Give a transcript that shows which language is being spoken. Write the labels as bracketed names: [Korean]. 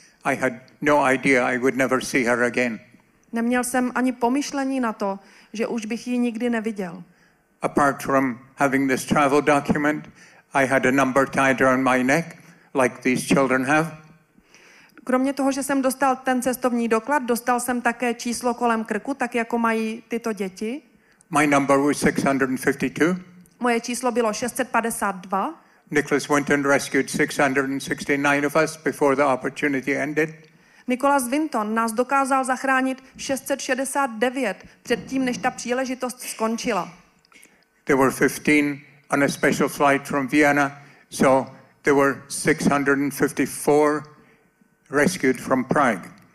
[English] I had no idea I would never see her again. [Czech] Neměl jsem ani pomyšlení na to, že už bych ji nikdy neviděl. [English] Apart from having this travel document, I had a number tied around my neck, like these children have. [Czech] Kromě toho, že jsem dostal ten cestovní doklad, dostal jsem také číslo kolem krku, tak jako mají tyto děti. [English] My number was 652. [Czech] Moje číslo bylo 652. [English] Nicholas Winton rescued 669 of us before the opportunity ended. [Czech] Nicholas Winton nás dokázal zachránit 669 předtím, než ta příležitost skončila. [English] There were 15 on a special flight from Vienna, so there were 654 rescued from Prague.